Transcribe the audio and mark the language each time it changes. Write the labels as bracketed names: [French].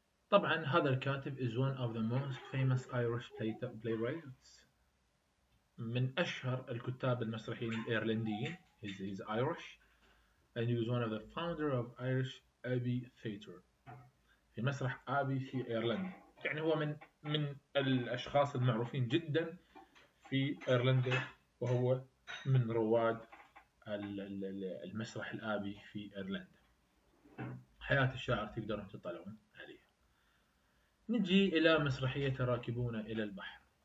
[Arabic] طبعا هذا الكاتب [English] is one of the most famous Irish playwrights، [Arabic] من أشهر الكتاب المسرحيين الإيرلنديين. [English] He's Irish and he was one of the founder of Irish Abbey Theatre. [Arabic] في مسرح أبي في إيرلندا، يعني هو من الأشخاص المعروفين جدا في إيرلندا، وهو من رواد المسرح الأبي في إيرلندا. حياة الشاعر تقدرون تطلعون عليها. نجي إلى مسرحية الراكبون إلى البحر.